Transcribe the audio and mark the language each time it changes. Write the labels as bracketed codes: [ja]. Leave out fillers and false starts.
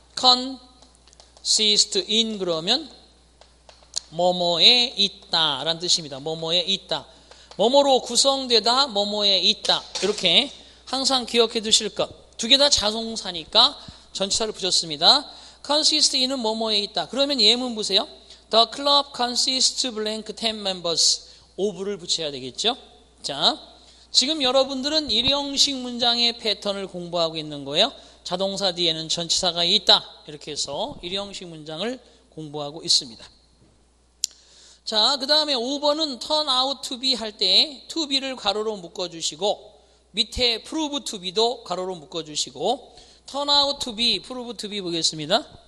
[ko] consist in 그러면 뭐뭐에 있다 라는 뜻입니다. 뭐뭐에 있다, 뭐뭐로 구성되다, 뭐뭐에 있다. 이렇게 항상 기억해 두실 것. 두 개 다 자동사니까 전치사를 붙였습니다. consist in은 뭐뭐에 있다. 그러면 예문 보세요. [en] The club consists of blank 10 members. [ko] of를 붙여야 되겠죠? 자, 지금 여러분들은 일형식 문장의 패턴을 공부하고 있는 거예요. 자동사 뒤에는 전치사가 있다. 이렇게 해서 일형식 문장을 공부하고 있습니다. 자, 그 다음에 5번은 turn out to be 할 때 to be를 가로로 묶어주시고 밑에 prove to be도 가로로 묶어주시고 turn out to be, prove to be 보겠습니다.